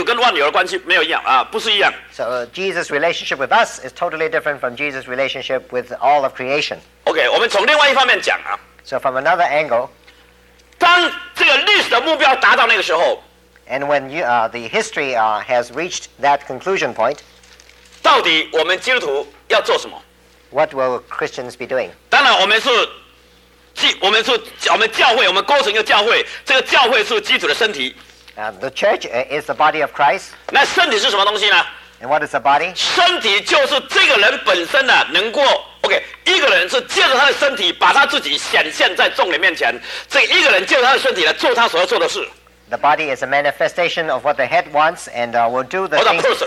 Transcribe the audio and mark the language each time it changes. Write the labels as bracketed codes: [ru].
[zh] 所以基督跟我们当中的关系，跟基督跟万有的关系没有一样啊，不是一样。 [en] So Jesus' relationship with us is totally different from Jesus' relationship with all of creation. [zh] Okay, 我们从另外一方面讲啊。 [en] So from another angle, [zh] 当这个历史的目标达到那个时候， [en] And when you, the history has reached that conclusion point. [zh] 到底我们基督徒要做什么？ [en] What will Christians be doing? [zh] 当然我们是教会，我们构成一个教会，这个教会是基督的身体。 [en] The church is the body of Christ. [zh] 那身体是什么东西呢？ [en] And what is the body? [zh] 身体就是这个人本身啊，能够 OK， 一个人是借着他的身体把他自己显现在众人面前，这一个人借着他的身体来做他所要做的事。 [en] The body is a manifestation of what the head wants and will do the thing.